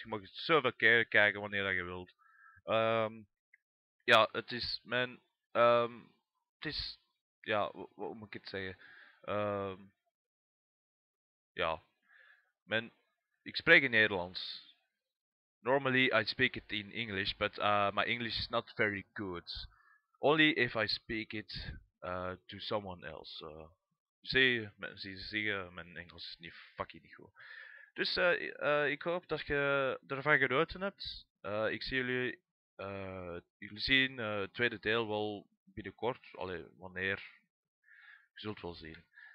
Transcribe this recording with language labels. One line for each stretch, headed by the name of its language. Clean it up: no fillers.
Dutch: Je mag het zoveel keer kijken wanneer dat je wilt. Ja, het is mijn. Het is. Ja, hoe moet ik het zeggen? Ja. Mijn. Ik spreek in Nederlands.
English: Normally I speak it in English, but my English is not very good. Only if I speak it to someone else.
Dutch: Zie je, mijn Engels is niet fucking goed. Dus ik hoop dat je ervan genoten hebt. Ik zie jullie zien het tweede deel wel binnenkort. Allee, wanneer? Je zult wel zien.